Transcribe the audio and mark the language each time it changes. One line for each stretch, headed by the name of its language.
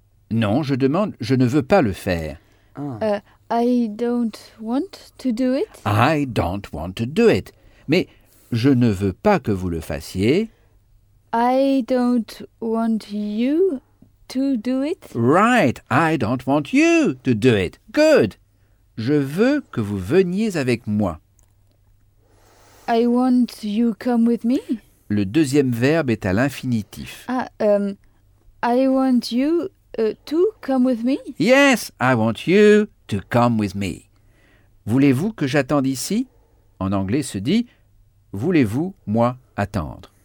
French: Non, je demande, je ne veux pas le faire.
English: I don't want to do it. I don't want to do it.
French: Mais je ne veux pas que vous le fassiez.
English: I don't want you to do it. Right, I don't want you to do it. Good.
French: Je veux que vous veniez avec moi.
English: I want you come with me.
French: Le deuxième verbe est à l'infinitif.
English: I want you to come with me. Yes, I want you to come with me.
French: Voulez-vous que j'attende ici? En anglais se dit, voulez-vous, moi, attendre?